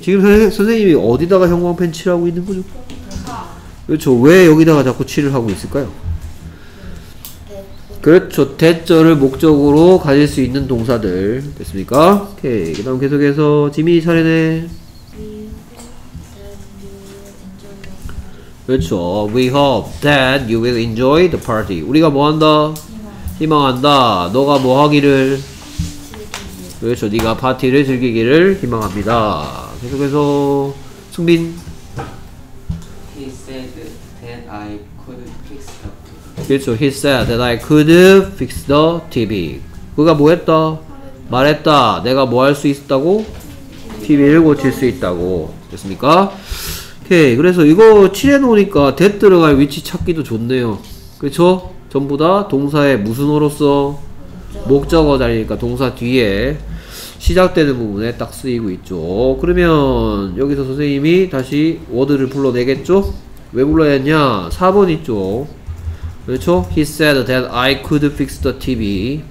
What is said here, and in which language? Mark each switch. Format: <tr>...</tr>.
<ko>지금 선생님이 어디다가 형광펜 칠하고 있는 거죠? 그렇죠. 왜 여기다가 자꾸 칠을 하고 있을까요? 그렇죠. 대절을 목적으로 가질 수 있는 동사들. 됐습니까? 오케이. 그 다음 계속해서 지민이 차례네. 그렇죠.</ko> <en>We hope that you will enjoy the party.</en> <ko>우리가 뭐 한다? 희망한다. 너가 뭐 하기를? 그렇죠. 네가 파티를 즐기기를 희망합니다. 계속해서 승빈.</ko> <en>He said that I could fix the TV.</en> <ko>그렇죠.</ko> <en>He said that I could fix the TV.</en> <ko>그가 뭐 했다? 말했다. 내가 뭐 할 수 있다고? TV를 고칠 수 있다고. 됐습니까? 오케이. 그래서 이거 칠해놓으니까 that 들어갈 위치 찾기도 좋네요. 그쵸? 전부 다 동사의 무슨 어로서? 목적어 자리니까 동사 뒤에 시작되는 부분에 딱 쓰이고 있죠. 그러면 여기서 선생님이 다시 워드를 불러내겠죠? 왜 불러냈냐? 4번 있죠? 그쵸?</ko> <en>He said that I could fix the TV.</en>